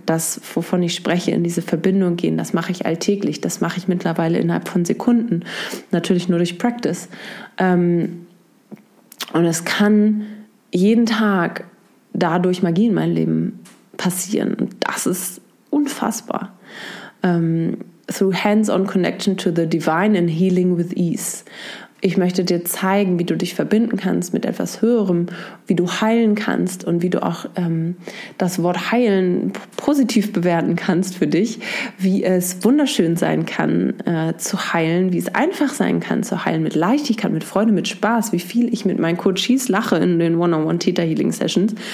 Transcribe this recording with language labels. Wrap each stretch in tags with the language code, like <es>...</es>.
<de>Das, wovon ich spreche, in diese Verbindung gehen, das mache ich alltäglich. Das mache ich mittlerweile innerhalb von Sekunden. Natürlich nur durch Practice. Und es kann jeden Tag dadurch Magie in meinem Leben passieren. Das ist unfassbar.</de> <en>Through hands-on connection to the divine and healing with ease.</en> <de>Ich möchte dir zeigen, wie du dich verbinden kannst mit etwas Höherem, wie du heilen kannst und wie du auch das Wort heilen positiv bewerten kannst für dich, wie es wunderschön sein kann zu heilen, wie es einfach sein kann zu heilen mit Leichtigkeit, mit Freude, mit Spaß, wie viel ich mit meinen Coaches lache in den One-on-One Theta Healing Sessions.</de>